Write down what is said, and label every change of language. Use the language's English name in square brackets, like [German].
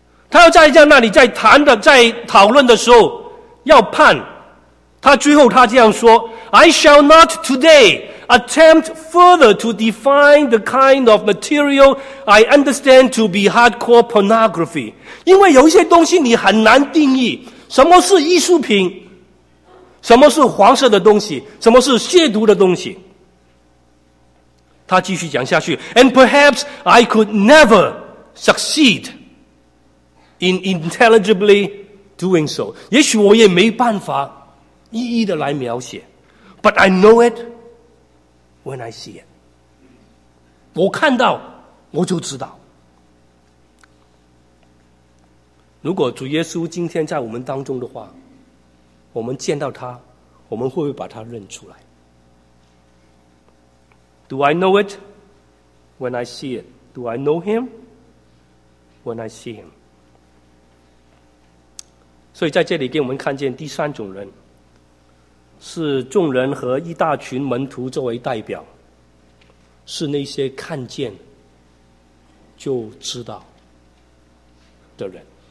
[Chinese] 他要在那里在谈的在讨论的时候要判，他最后他这样说， [English] I shall not today attempt further to define the kind of material I understand to be hardcore pornography， [Chinese] 因为有一些东西你很难定义，什么是艺术品，什么是黄色的东西，什么是亵渎的东西。他继续讲下去， [English] And perhaps I could never succeed in intelligibly doing so， [Chinese] 也许我也没办法一一的来描写， [English] But I know it when I see it， [Chinese] 我看到我就知道。如果主耶稣今天在我们当中的话，我们见到他，我们会不会把他认出来？ [English] Do I know it When I see it, do I know him? When I see him. [Chinese] 所以在这里给我们看见第三种人，是众人和一大群门徒作为代表，是那些看见就知道的人。